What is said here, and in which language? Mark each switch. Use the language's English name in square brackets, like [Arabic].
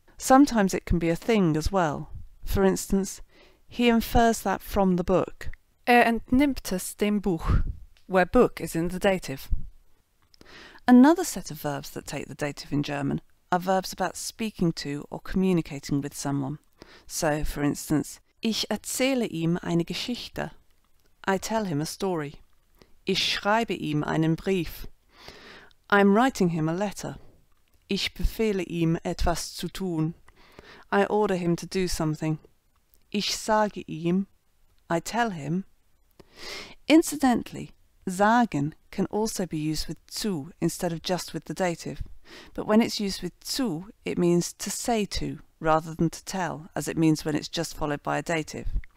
[English] Sometimes it can be a thing as well. For instance, he infers that from the book. [German] Entnimmt es dem Buch, [English] where book is in the dative. Another set of verbs that take the dative in German are verbs about speaking to or communicating with someone. So, for instance, [German] ich erzähle ihm eine Geschichte. [English] I tell him a story. [German] Ich schreibe ihm einen Brief. [English] I'm writing him a letter. [German] Ich befehle ihm etwas zu tun. [English] I order him to do something. [German] Ich sage ihm, [English] I tell him. Incidentally, sagen can also be used with zu instead of just with the dative, but when it's used with zu, it means to say to rather than to tell, as it means when it's just followed by a dative.